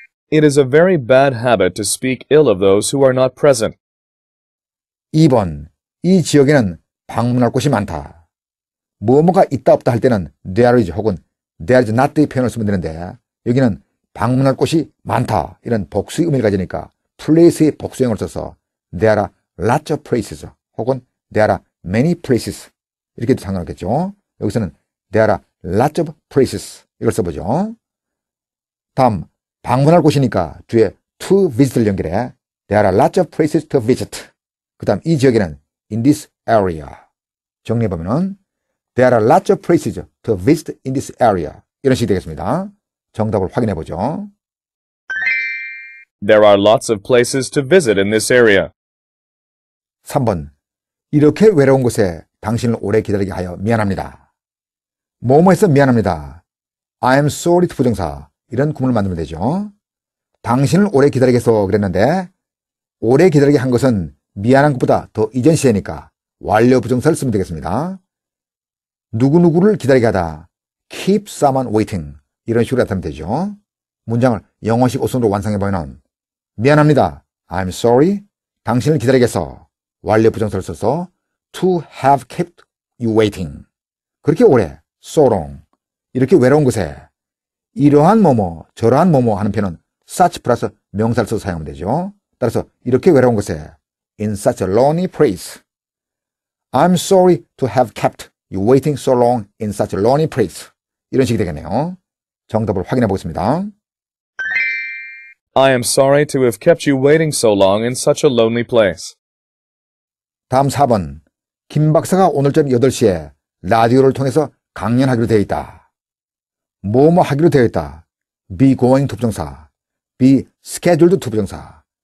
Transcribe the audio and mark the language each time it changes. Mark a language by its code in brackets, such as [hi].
[en] It is a very bad habit to speak ill of those who are not present. [ko] 2번, 이 지역에는 방문할 곳이 많다. 뭐뭐가 있다 없다 할 때는 there is 혹은 there is not의 표현을 쓰면 되는데 여기는 방문할 곳이 많다 이런 복수의 의미를 가지니까 place의 복수형을 써서 [en] there are lots of places [ko] 혹은 [en] there are many places [ko] 이렇게도 상관없겠죠. 여기서는 there are lots of places 이걸 써보죠. 다음, 방문할 곳이니까 뒤에 to visit를 연결해 [en] there are lots of places to visit. [ko] 그 다음 이 지역에는 [en] in this area [ko] 정리해보면은 [en] There are lots of places to visit in this area. [ko] 이런 식이 되겠습니다. 정답을 확인해 보죠. [en] There are lots of places to visit in this area. [ko] 3번. 이렇게 외로운 곳에 당신을 오래 기다리게 하여 미안합니다. 뭐뭐해서 미안합니다. [en] I am sorry to [ko] 부정사. 이런 구문을 만들면 되죠. 당신을 오래 기다리게 해서 그랬는데 오래 기다리게 한 것은 미안한 것보다 더 이전 시제니까 완료 부정사를 쓰면 되겠습니다. 누구누구를 기다리게 하다. [en] Keep someone waiting. [ko] 이런 식으로 나타내면 되죠. 문장을 영어식 오성으로 완성해보면 미안합니다. [en] I'm sorry. [ko] 당신을 기다리겠어. 완료 부정사를 써서 [en] To have kept you waiting. [ko] 그렇게 오래. [en] So long. [ko] 이렇게 외로운 곳에 이러한 뭐뭐 저러한 뭐뭐 하는 표현은 such 플러스 명사를 써서 사용하면 되죠. 따라서 이렇게 외로운 곳에 [en] In such a lonely place. I'm sorry to have kept You waiting so long in such a lonely place. [ko] 이런 식이 되겠네요. 정답을 확인해 보겠습니다. [en] I am sorry to have kept you waiting so long in such a lonely place. [ko] 다음 4번. 김 박사가 오늘 저녁 8시에 라디오를 통해서 강연하기로 되어 있다. 뭐뭐 하기로 되어 있다. [en] Be going to [ko] 부정사. [en] Be scheduled to [ko] 부정사.